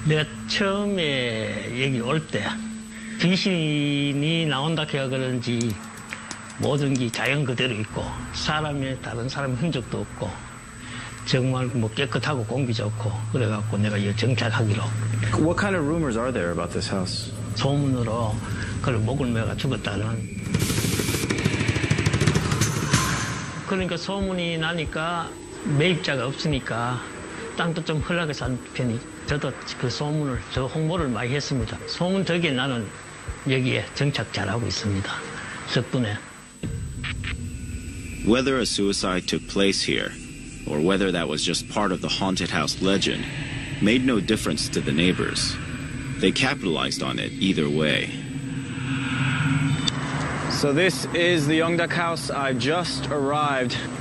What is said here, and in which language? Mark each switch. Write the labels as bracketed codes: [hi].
[ko] 내가 처음에 여기 올 때 귀신이 나온다 그런지 모든 게 자연 그대로 있고 사람의 다른 사람 흔적도 없고 정말 뭐 깨끗하고 공기 좋고 그래갖고 내가 여기 정착하기로. [en] What kind of rumors are there about this house? [ko] 소문으로 그걸 목을 매가 죽었다는. 그러니까 소문이 나니까 매입자가 없으니까 땅도 좀 흘러가 산 편이. 저도 그 소문을 저 홍보를 많이 했습니다. 소문 덕에 나는 여기에 정착 잘하고 있습니다. 덕분에. [en] Whether a suicide took place here, or whether that was just part of the haunted house legend, made no difference to the neighbors. They capitalized on it either way. So this is the Yongdak house. I just arrived.